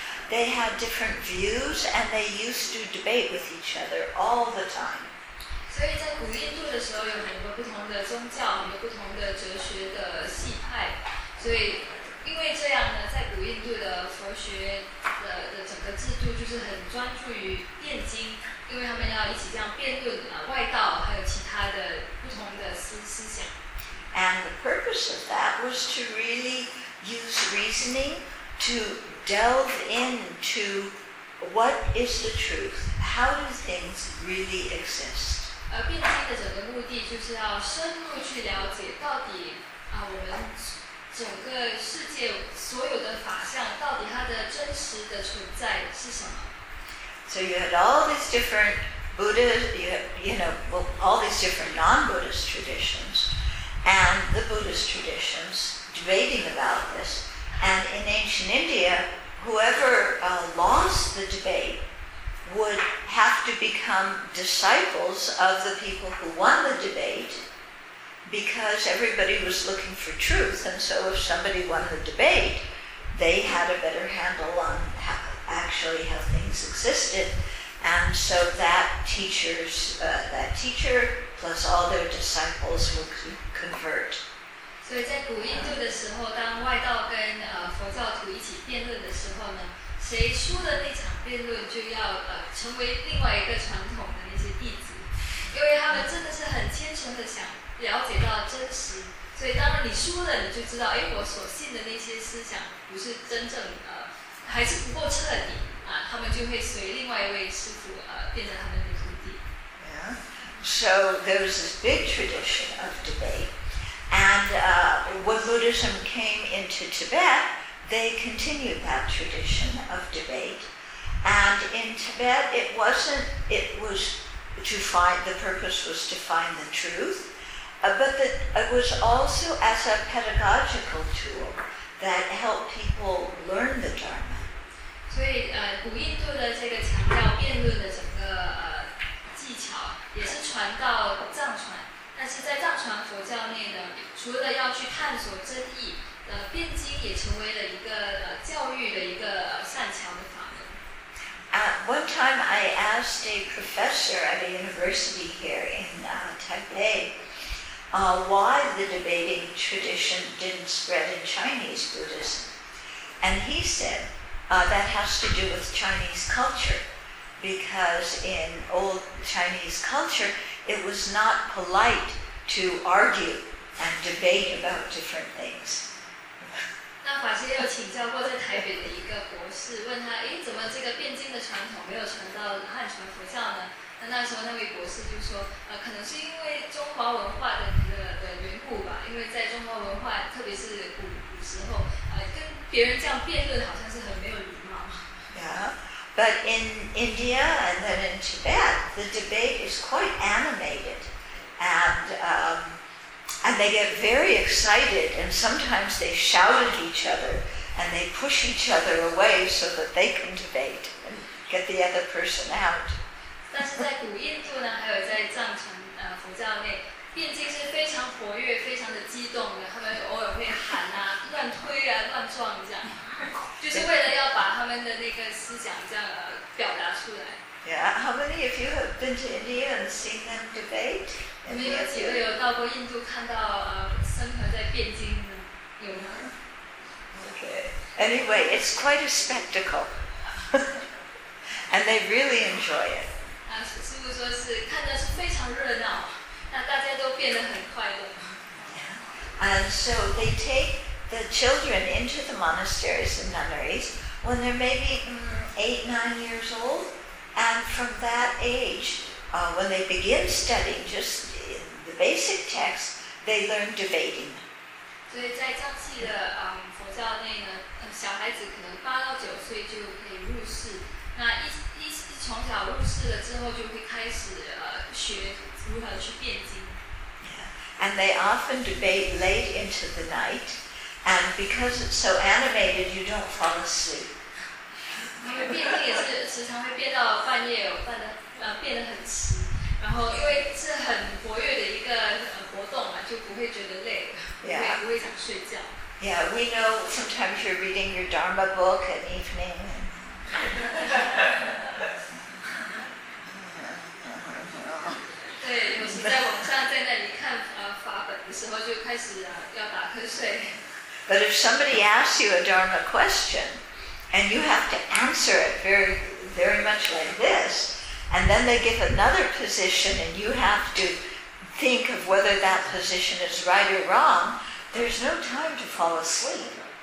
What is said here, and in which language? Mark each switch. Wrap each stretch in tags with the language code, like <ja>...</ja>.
<en>They had different views and they used to debate with each other all the time. So in the early Indian period, there were many different religions, many different philosophical traditions. So because of this, in the early Indian period, the Buddhist system was very focused on the Buddha.</en> <zh>因为他们要一起这样辩论外道还有其他的不同的思想。</zh> <en>And the purpose of that was to really use reasoning to delve into what is the truth, how do things really exist?</en> <zh>辩经的整个目的就是要深入去了解到底我们整个世界所有的法相到底它的真实的存在是什么。</zh> <en>So you had all these different Buddhas, all these different non-Buddhist traditions, and the Buddhist traditions debating about this. And in ancient India, whoever lost the debate would have to become disciples of the people who won the debate, because everybody was looking for truth, and so if somebody won the debate, they had a better handle on how things existed. And so that teacher plus all their disciples will convert.</en> <zh>所以在古印度的时候，当外道跟佛教徒一起辩论的时候呢，谁输了那场辩论，就要成为另外一个传统的那些弟子，因为他们真的是很虔诚的想了解到真实。所以当你输了，你就知道，哎，我所信的那些思想不是真正还是不够彻底啊，他们就会随另外一位师父变成他们的徒弟。</zh> <en>Yeah. So there was this big tradition of debate. And when Buddhism came into Tibet, they continued that tradition of debate. And in Tibet, the purpose was to find the truth, but it was also as a pedagogical tool that helped people learn the Dharma.</en> <zh>所以古印度的这个强调辩论的整个技巧也是传到藏传。但是在藏传佛教内呢，除了要去探索真意，辩经也成为了一个教育的一个善巧的法门。</zh> <en>At one time, I asked a professor at a university here in Taipei, why the debating tradition didn't spread in Chinese Buddhism, and he said that has to do with Chinese culture, because in old Chinese culture. It was not polite to argue and debate about different things.</en> <zh>那法师又请教过在台北的一个博士，问他，哎，怎么这个辩经的传统没有传到汉传佛教呢？那那时候那位博士就说，可能是因为中华文化的那个的缘故吧，因为在中华文化，特别是古时候，跟别人这样辩论好像是很没有礼貌。</zh> <en>But in India and then in Tibet, the debate is quite animated. And they get very excited, and sometimes they shout at each other and they push each other away so that they can debate and get the other person out.</en> <zh>但是在古印度呢，还有在藏传佛教内，辩经是非常活跃，非常的激动的，他们偶尔会喊啊，乱推啊，乱撞这样。就是为了要把他们的那个思想这样表达出来。</zh> <en>Yeah, how many of you have been to India and seen them debate?</en> <zh>你们有几位有到过印度看到僧团在辩经的？有吗</zh> <en>？Okay. Anyway, it's quite a spectacle, and they really enjoy it.</en> <zh>啊，师父说是看着是非常热闹，那大家都变得很快乐。</zh> <en>Yeah. And so they take. The children into the monasteries and nunneries when they're maybe 8-9 years old, and from that age, when they begin studying just the basic texts, they learn debating.</en> <zh>所以在藏系的佛教内呢，小孩子可能8到9岁就可以入室。那一从小入室了之后，就会开始学如何去辩经。</zh> <en>And they often debate late into the night. And because it's so animated, you don't fall asleep.</en> <zh>他们辩经也是时常会辩到半夜，辩得很迟。然后因为是很活跃的一个活动嘛，就不会觉得累，不会想睡觉。</zh> <en>Yeah, we know sometimes you're reading your Dharma book at evening.</en> <zh>Yeah. 对，有时在网上在那里看法本的时候，就开始要打瞌睡。</zh> <en>But if somebody asks you a Dharma question, and you have to answer it very, very much like this, and then they give another position, and you have to think of whether that position is right or wrong, there's no time to fall asleep.</en>